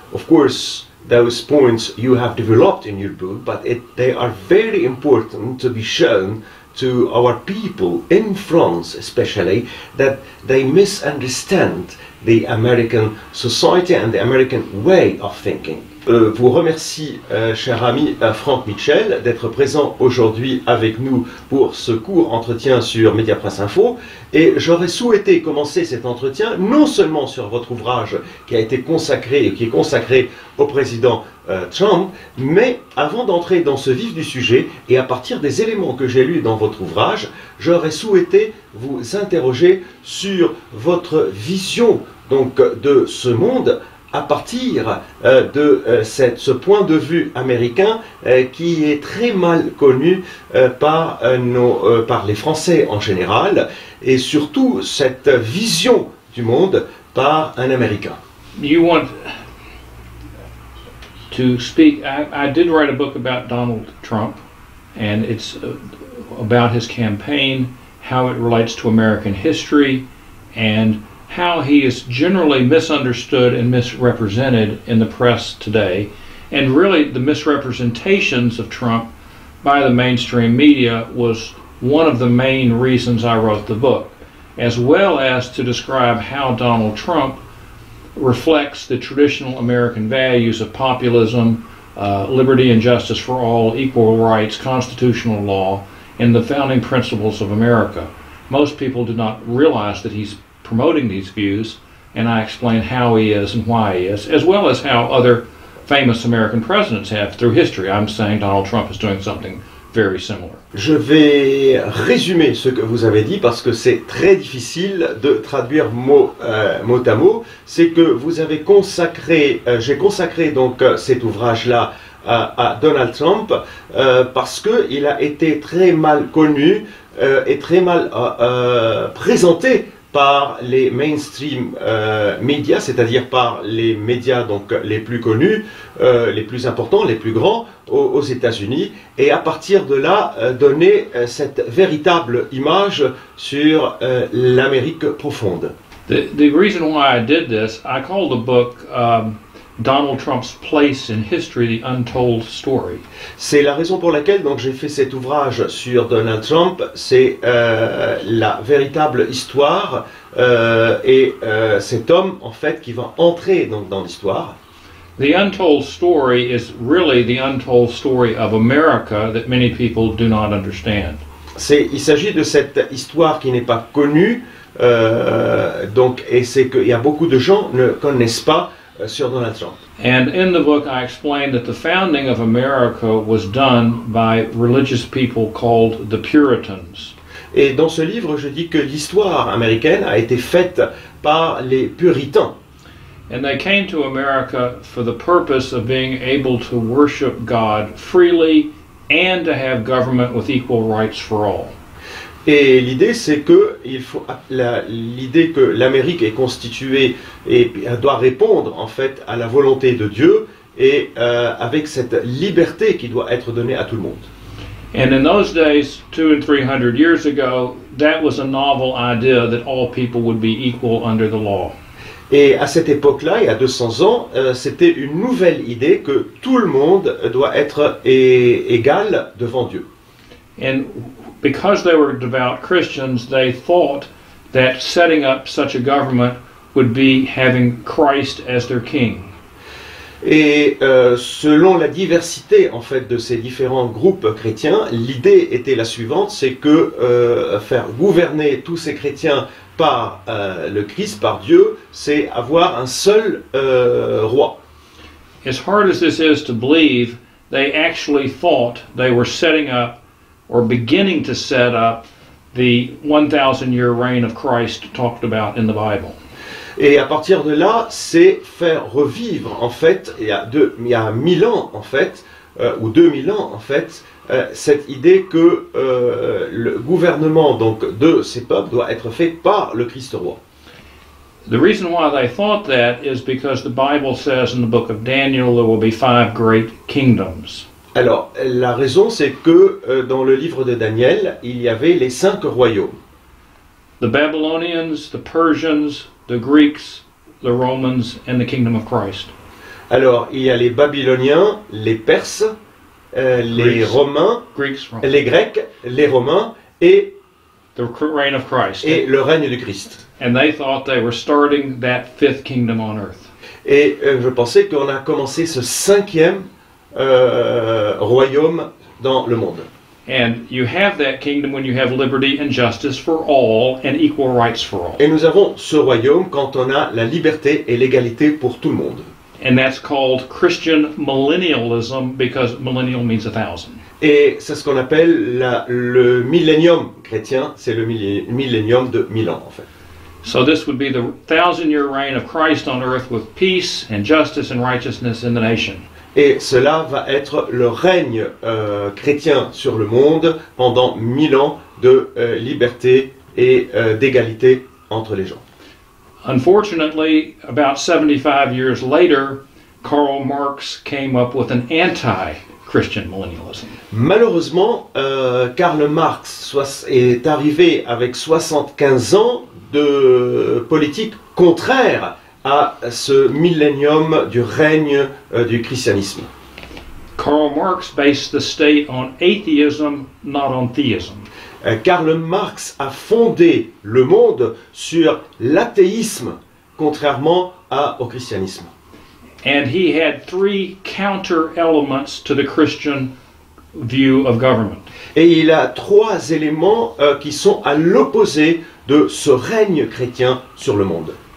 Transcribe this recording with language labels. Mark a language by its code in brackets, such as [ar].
[en] Of course, those points you have developed in your book, but they are very important to be shown to our people in France, especially, that they misunderstand the American society and the American way of thinking. [fr] Vous remercie, cher ami Frank Mitchell, d'être présent aujourd'hui avec nous pour ce court entretien sur Médias-Presse-Info. Et j'aurais souhaité commencer cet entretien non seulement sur votre ouvrage qui a été consacré et qui est consacré au président Trump, mais avant d'entrer dans ce vif du sujet et à partir des éléments que j'ai lus dans votre ouvrage, j'aurais souhaité vous interroger sur votre vision donc de ce monde à partir ce point de vue américain qui est très mal connu par les Français en général, et surtout cette vision du monde par un Américain. [en] You want to speak, I did write a book about Donald Trump, and it's about his campaign, how it relates to American history, and how he is generally misunderstood and misrepresented in the press today, and really the misrepresentations of Trump by the mainstream media was one of the main reasons I wrote the book, as well as to describe how Donald Trump reflects the traditional American values of populism, liberty and justice for all, equal rights, constitutional law, and the founding principles of America. Most people do not realize that he's promoting these views, and I explain how he is and why he is, as well as how other famous American presidents have through history. I'm saying Donald Trump is doing something very similar. [fr] Je vais résumer ce que vous avez dit parce que c'est très difficile de traduire mot à mot. C'est que vous avez consacré, j'ai consacré donc cet ouvrage-là à Donald Trump parce que il a été très mal connu et très mal présenté par les mainstream médias, c'est-à-dire par les médias donc les plus connus, les plus importants, les plus grands aux États-Unis, et à partir de là donner cette véritable image sur l'Amérique profonde. [en] The reason why I did this, I call the book Donald Trump's place in history, the untold story. [fr] C'est la raison pour laquelle donc j'ai fait cet ouvrage sur Donald Trump. C'est la véritable histoire cet homme en fait qui va entrer donc dans l'histoire. [en] The untold story is really the untold story of America that many people do not understand. [fr] Il s'agit de cette histoire qui n'est pas connue et c'est qu'il y a beaucoup de gens ne connaissent pas. [en] And in the book I explain that the founding of America was done by religious people called the Puritans. [fr] Et dans ce livre je dis que l'histoire américaine a été faite par les puritains. [en] And they came to America for the purpose of being able to worship God freely and to have government with equal rights for all. [fr] Et l'idée, c'est que l'idée que l'Amérique est constituée et doit répondre en fait à la volonté de Dieu et avec cette liberté qui doit être donnée à tout le monde. [en] And in those days, 200 or 300 years ago, that was a novel idea that all people would be equal under the law. [fr] Et à cette époque-là, il y a 200 ans, c'était une nouvelle idée que tout le monde doit être égal devant Dieu. [en] And because they were devout Christians, they thought that setting up such a government would be having Christ as their king. [fr] Et selon la diversité en fait de ces différents groupes chrétiens, l'idée était la suivante, c'est que faire gouverner tous ces chrétiens par le Christ, par Dieu, c'est avoir un seul roi. [en] As hard as this is to believe, they actually thought they were setting up or beginning to set up the 1,000-year reign of Christ talked about in the Bible. [fr] Et à partir de là, c'est faire revivre, en fait, il y a 1000 ans, en fait, ou 2000 ans en fait, cette idée que le gouvernement donc de ces peuples doit être fait par le Christ roi. [en] The reason why they thought that is because the Bible says in the book of Daniel there will be five great kingdoms. [fr] Alors, la raison c'est que dans le livre de Daniel, il y avait les cinq royaumes. [en] The Babylonians, the Persians, the Greeks, the Romans and the kingdom of Christ. [fr] Alors, il y a les Babyloniens, les Perses, les [en] Greeks, [fr] Romains, [en] Greeks, [fr] les Grecs, les Romains et [en] the reign of Christ. [fr] Et le règne du Christ. [en] And they thought they were starting that fifth kingdom on earth. [fr] Et je pensais qu'on a commencé ce cinquième royaume dans le monde. [en] And you have that kingdom when you have liberty and justice for all and equal rights for all. [fr] Et nous avons ce royaume quand on a la liberté et l'égalité pour tout le monde. [en] And that's called Christian millennialism because millennial means a thousand. [fr] Et c'est ce qu'on appelle le millénium chrétien, c'est le millénium de 1000 ans en fait. [en] So this would be the thousand-year reign of Christ on earth with peace and justice and righteousness in the nation. [fr] Et cela va être le règne chrétien sur le monde pendant 1000 ans de liberté et d'égalité entre les gens. [en] Unfortunately, about 75 years later, Karl Marx came up with an anti-Christian millennialism. [fr] Malheureusement, Karl Marx est arrivé avec 75 ans de politique contraire à ce millénium du règne du christianisme. [en] Karl Marx based the state on atheism, not on theism. [fr] Karl Marx a fondé le monde sur l'athéisme, contrairement au christianisme. [en] And he had three counter elements to the Christian view of government. [fr] Et il a trois éléments qui sont à l'opposé de ce règne chrétien sur le monde.